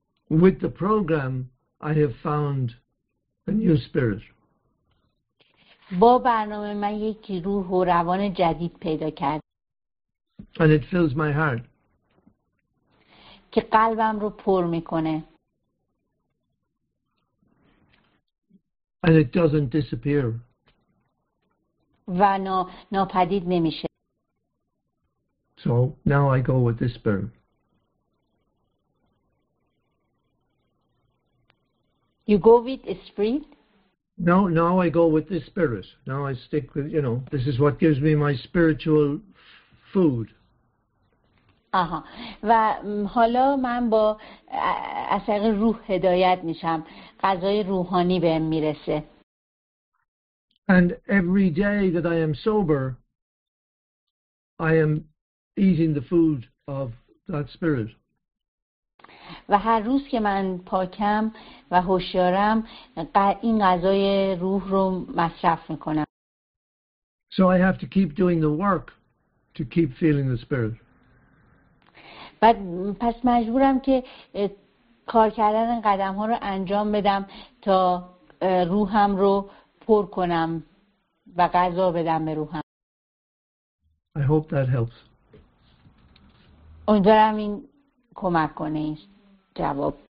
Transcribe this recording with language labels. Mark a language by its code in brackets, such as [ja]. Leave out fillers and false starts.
[en] With the program, I have found a new spirit. [fa] با برنامه من یک روح و روان جدید پیدا کردم. [en] And it fills my heart. [fa] که قلبم رو پر میکنه. [en] And it doesn't disappear. [fa] و ناپدید نمیشه. [en] So now I go with this spirit. You go with a spirit? No, now I go with this spirit. Now I stick with, you know, this is what gives me my spiritual food. [fa] آها و حالا من با از طریق روح هدایت میشم، غذای روحانی بهم میرسه. [en] And every day that I am sober, I am eating the food of that spirit. [fa] و هر روز که من پاکم و هوشیارم، این غذای روح رو مصرف میکنم. [en] So I have to keep doing the work to keep feeling the spirit. [fa] بعد پس مجبورم که کار کردن قدم ها رو انجام بدم تا روحم رو پر کنم و غذا بدم به روحم. [en] I hope that helps. [fa] امیدوارم این کمک کنه، این جواب.